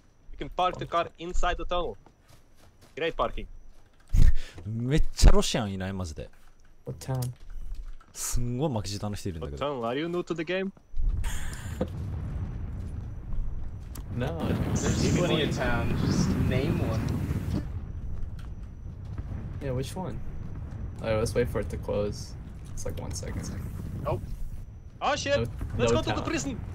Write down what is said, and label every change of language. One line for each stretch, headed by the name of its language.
English: You can park the car inside the tunnel. Great parking.
Japanese: めっちゃロシアンいない、マジで。
English: What town?
Japanese: すんごい巻き舌の人いるんだけど。
English: But Tom, are you new to the game? No, there's plenty of town. Just name one. Yeah, which one? Alright, let's wait for it to close. It's like 1 second. Nope. Oh shit! Let's go to the prison!